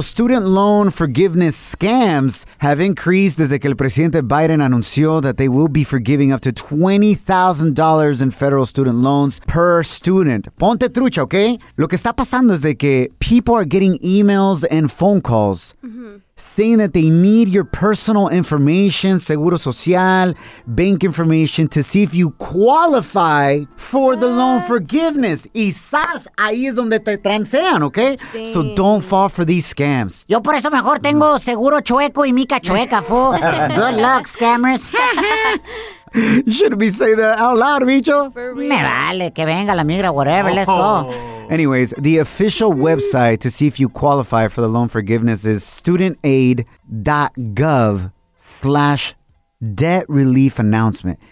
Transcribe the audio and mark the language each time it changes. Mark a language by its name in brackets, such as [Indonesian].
[English] Student loan forgiveness scams have increased [Spanish] desde que el presidente Biden anunció [English] that they will be forgiving up to $20,000 in federal student loans per student. [Spanish] Ponte trucha, ¿ok? Lo que está pasando es de que [English] people are getting emails and phone calls. [Spanish] Mm-hmm. [English] Saying that they need your personal information, [Spanish] seguro social, [English] bank information, to see if you qualify for the loan forgiveness. [Spanish] Y sas, ahí es donde te transean, ¿ok? [English] Dang. So don't fall for these scams. [Spanish] Yo por eso mejor tengo seguro chueco y mica chueca, fool. [English] Good luck, scammers. You shouldn't be saying that out loud, bicho. [Spanish] Me vale, que venga la migra, [English] whatever, let's go. Anyways, the official website to see if you qualify for the loan forgiveness is studentaid.gov/debt-relief-announcement.